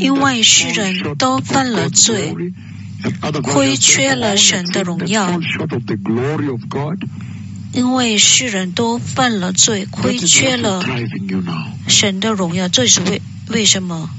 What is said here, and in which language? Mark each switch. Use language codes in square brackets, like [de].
[zh] 因为世人都犯了罪，亏缺了神的荣耀。 [en] All short of the glory of God. [zh] 因为世人都犯了罪，亏缺了神的荣耀，这是为什么